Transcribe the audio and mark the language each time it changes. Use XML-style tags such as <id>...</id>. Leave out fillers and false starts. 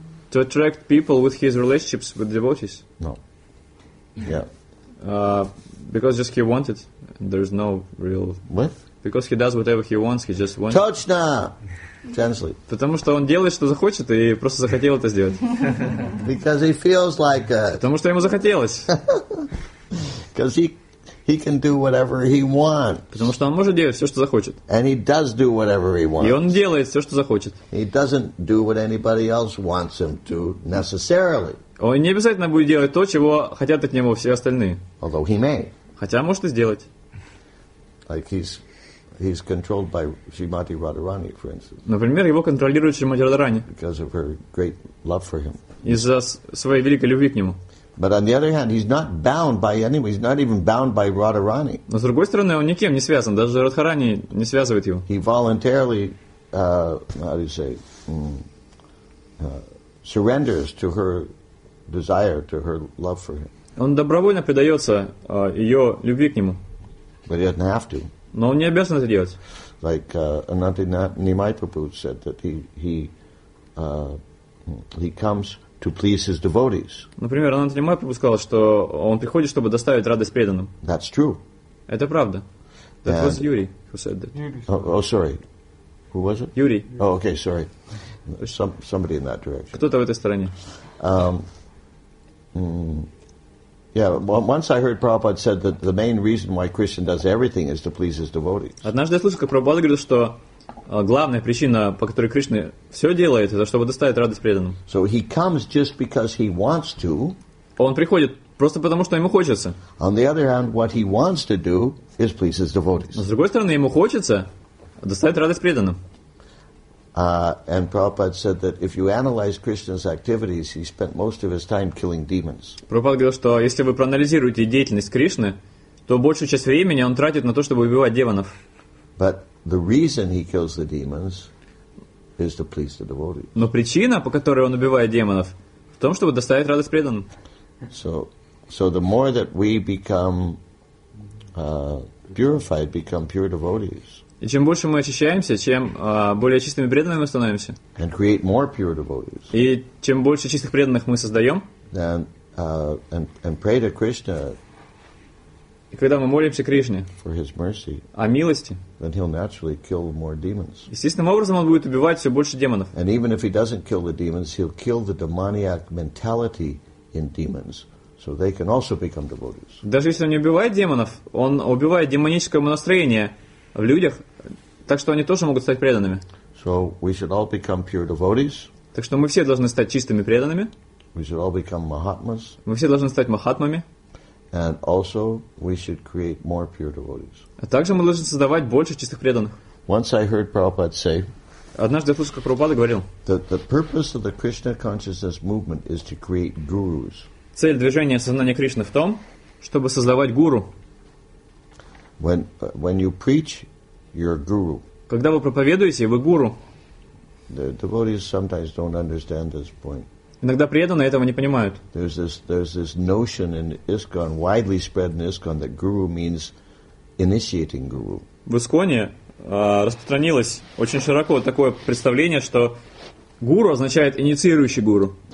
<en>To attract people with his relationships with devotees? No. Yeah. Because just he wanted. There's no real... What? Because he does whatever he wants, he just wants...</en> <ru>Точно!</ru> <en>Translate.</en> <ru>Потому что он делает, что захочет, и просто захотел это сделать.</ru> <en>Because he feels like it.</en> <ru>Потому что ему захотелось.</ru> <en>Because he can do whatever he wants.</en> <ru>Потому что он может делать все, что захочет.</ru> <en>And he does do whatever he wants.</en> <ru>И он делает все, что захочет.</ru> <en>He doesn't do what anybody else wants him to necessarily.</en> <ru>Он не обязательно будет делать то, чего хотят от него все остальные.</ru> <en>Although he may.</en> <ru>Хотя может и сделать.</ru> <en>Like he's controlled by Srimati Radharani, for instance.</en> <ru>Например, его контролирует Шримати Радхарани.</ru> <en>Because of her great love for him.</en> <ru>Из-за своей великой любви к нему.</ru> <en>But on the other hand, he's not bound by anyone. He's not even bound by Radharani.</en> <ru>Но с другой стороны, он никем не связан. Даже Радхарани не связывает его.</ru> <en>He voluntarily, surrenders to her desire, to her love for him.</en> <ru>Он добровольно предается ее любви к нему.</ru> <en>But he doesn't have to.</en> <ru>Но он не обязан это делать.</ru> <en>Like Ananti Nimai Prabhu said that he comes to please his devotees.</en> <ru>Например, Ананти Нимай Прабху сказал, что он приходит, чтобы доставить радость преданным.</ru> <en>That's true.</en> <ru>Это правда.</ru> <en>That was Yuri who said that. Sorry. Who was it? Yuri. Oh, okay, sorry. Somebody in that direction.</en> <ru>Кто-то в этой стороне.</ru> <en>Once I heard Prabhupada said that the main reason why Krishna does everything is to please his devotees.</en> <ru>Однажды я слышал, как Прабхупада говорил, что главная причина, по которой Кришна все делает, это чтобы доставить радость преданным.</ru> <en>So he comes just because he wants to.</en> <ru>Он приходит просто потому, что ему хочется.</ru> <en>On the other hand, what he wants to do is please his devotees.</en> <ru>Но с другой стороны, ему хочется доставить радость преданным.</ru> <en>And Prabhupada said that if you analyze Krishna's activities, he spent most of his time killing demons.</en> <ru>Прабхупада говорил, что если вы проанализируете деятельность Кришны, то большую часть времени он тратит на то, чтобы убивать демонов.</ru> <en>But the reason he kills the demons is to please the devotees.</en> <ru>Но причина, по которой он убивает демонов, в том, чтобы доставить радость преданным.</ru> <en>So the more that we become purified, become pure devotees.</en> <ru>И чем больше мы очищаемся, тем более чистыми преданными мы становимся.</ru> <en>And create more pure devotees.</en> <ru>И чем больше чистых преданных мы создаем,</ru> <en>and pray to Krishna,</en> <ru>и когда мы молимся Кришне</ru> <en>for his mercy,</en> <ru>о милости,</ru> <en>then he'll naturally kill more demons.</en> <ru>Естественным образом он будет убивать все больше демонов.</ru> <en>And even if he doesn't kill the demons, he'll kill the demoniac mentality in demons. So they can also become devotees.</en> <ru>Даже если он не убивает демонов, он убивает демоническое настроение в людях, так что они тоже могут стать преданными.</ru> <en>So we should all become pure devotees.</en> <ru>Так что мы все должны стать чистыми преданными.</ru> <en>We should all become mahatmas.</en> <ru>Мы все должны стать махатмами.</ru> <en>And also we should create more pure devotees.</en> <ru>А также мы должны создавать больше чистых преданных.</ru> <en>Once I heard Prabhupada say,</en> <ru>однажды я слышал, как Прабхупада говорил,</ru> <en>that the purpose of the Krishna consciousness movement is to create gurus.</en> <ru>Цель движения сознания Кришны в том, чтобы создавать гуру.</ru> <en>When you preach, you're a guru.</en> <ru>Когда вы проповедуете, вы гуру.</ru> <en>The devotees sometimes don't understand this point.</en> <ru>Иногда преданные этого не понимают.</ru> <en>There's this notion in ISKCON, widely spread in ISKCON, that guru means initiating guru.</en> <ru>В ИСККОНе распространилось очень широко такое представление, что гуру означает инициирующий гуру.</ru>